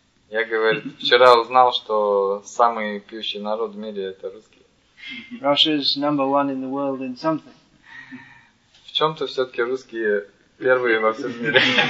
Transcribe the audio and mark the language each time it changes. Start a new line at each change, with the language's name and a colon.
Russian: Я говорю, вчера узнал, что самый пьющий народ в мире — это русские.
English: Russia's number one in the world in something.
Russian: В чем-то все-таки русские первые во всем мире.